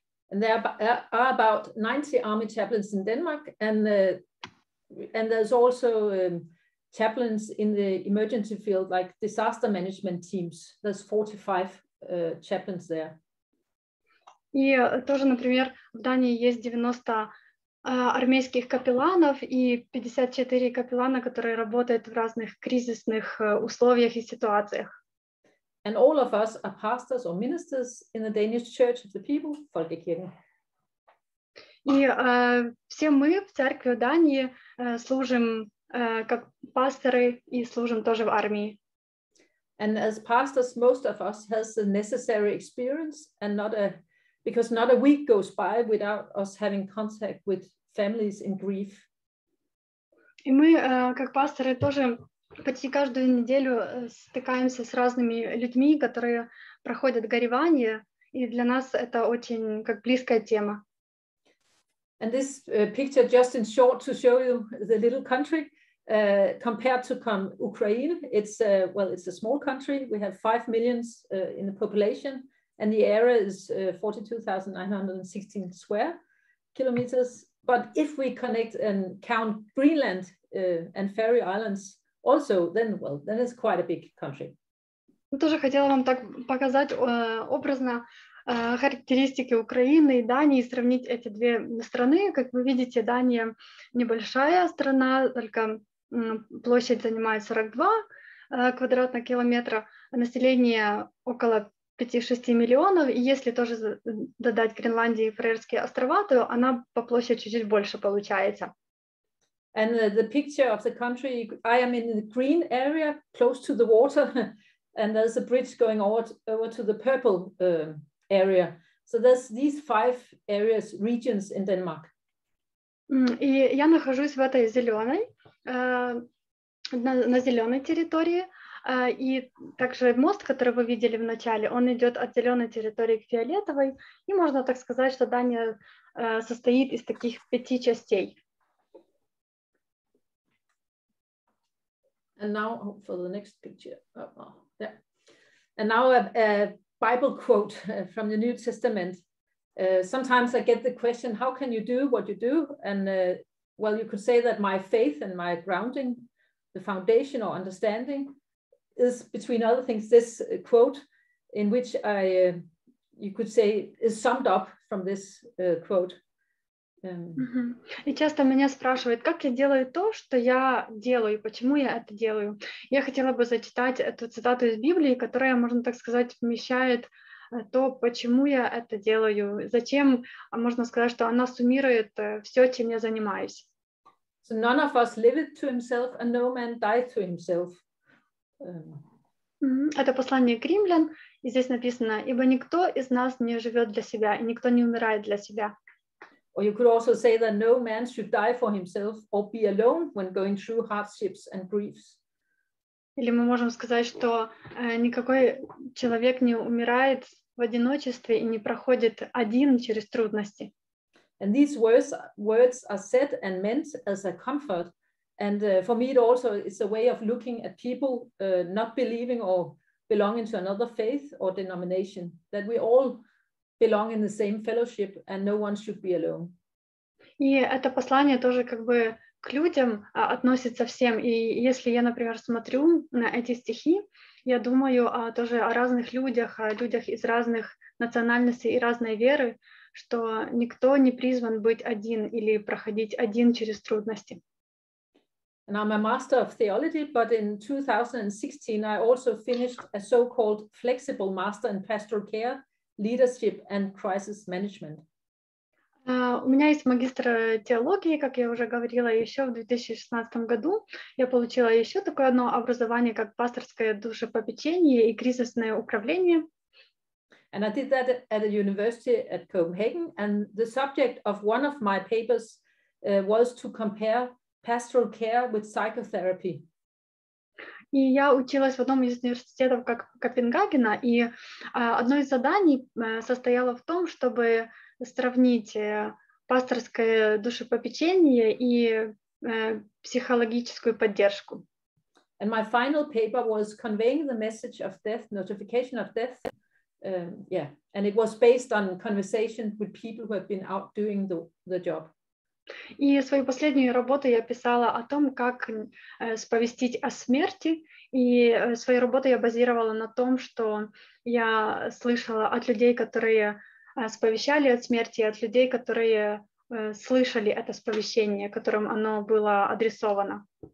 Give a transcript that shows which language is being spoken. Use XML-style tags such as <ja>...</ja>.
<en>There are about 90 army chaplains in Denmark, and there's also chaplains in the emergency field, like disaster management teams. There's 45 chaplains there.</en> <ru>И тоже, например, в Дании есть 90 армейских капелланов и 54 капеллана, которые работают в разных кризисных условиях и ситуациях.</ru> <en>And all of us are pastors or ministers in the Danish Church of the People, Folkekirken.</en> <ru>И все мы в церкви Дании служим как пасторы и служим тоже в армии.</ru> <en>And as pastors, most of us has the necessary experience, and not a week goes by without us having contact with families in grief.</en> <ru>И мы как пасторы тоже почти каждую неделю стыкаемся с разными людьми, которые проходят горевание, и для нас это очень как близкая тема.</ru> <en>And this picture just in short to show you the little country compared to Ukraine. It's it's a small country. We have 5 million in the population, and the area is 42,916 square kilometers. But if we connect and count Greenland and Faroe Islands also, then it's quite a big country.</en> <ru>Тоже хотела вам так показать образно характеристики Украины и Дании, сравнить эти две страны. Как вы видите, Дания небольшая страна, только площадь занимает 42 квадратных километра, а население около 5-6 миллионов. И если тоже додать Гренландии и Фарерские острова, то она по площади чуть-чуть больше получается.</ru> <en>And the picture of the country, I am in the green area, close to the water, and there's a bridge going over to the purple area. So there's these five areas, regions in Denmark.</en> <ru>И я нахожусь в этой зеленой, на зеленой территории. И также мост, который вы видели в начале, он идет от зеленой территории к фиолетовой. И можно так сказать, что Дания состоит из таких пяти частей.</ru> <en>And now for the next picture. And now a Bible quote from the New Testament. Sometimes I get the question, how can you do what you do? And you could say that my faith and my grounding, the foundation or understanding, is between other things this quote, in which I, you could say, is summed up from this quote.</en> <ru>И часто меня спрашивают, как я делаю то, что я делаю, почему я это делаю. Я хотела бы зачитать эту цитату из Библии, которая, можно так сказать, вмещает то, почему я это делаю, зачем, можно сказать, что она суммирует все, чем я занимаюсь.</ru> <en>So none of us live it to himself, and no man dies to himself.</en> <ru>Это послание к римлян, и здесь написано, ибо никто из нас не живет для себя, и никто не умирает для себя.</ru> <en>Or you could also say that no man should die for himself or be alone when going through hardships and griefs.</en> <ru>Или мы можем сказать, что никакой человек не умирает в одиночестве и не проходит один через трудности.</ru> <en>And these words are said and meant as a comfort. And for me it also is a way of looking at people not believing or belonging to another faith or denomination, that we all belong in the same fellowship, and no one should be alone.</en> <ru>И это послание тоже как бы к людям относится всем. И если я, например, смотрю на эти стихи, я думаю тоже о разных людях, о людях из разных национальностей и разной веры, что никто не призван быть один или проходить один через трудности.</ru> <en>And I'm a master of theology, but in 2016 I also finished a so-called flexible master in pastoral care, leadership and crisis management.</en> <ru>У меня есть магистр теологии, как я уже говорила, еще в 2016 году я получила еще такое одно образование, как пасторское душепопечение и кризисное управление.</ru> <en>And I did that at a university at Copenhagen, and the subject of one of my papers was to compare pastoral care with psychotherapy.</en> <ru>И я училась в одном из университетов как Копенгагена, и одно из заданий состояло в том, чтобы сравнить пасторское душепопечение и психологическую поддержку.</ru> <en>And my final paper was conveying the message of death, notification of death. Yeah, and it was based on conversation with people who have been out doing the job.</en> <ru>И свою последнюю работу я писала о том, как сповестить о смерти, и свою работу я базировала на том, что я слышала от людей, которые сповещали о смерти, от людей, которые слышали это сповещение, которым оно было адресовано.</ru>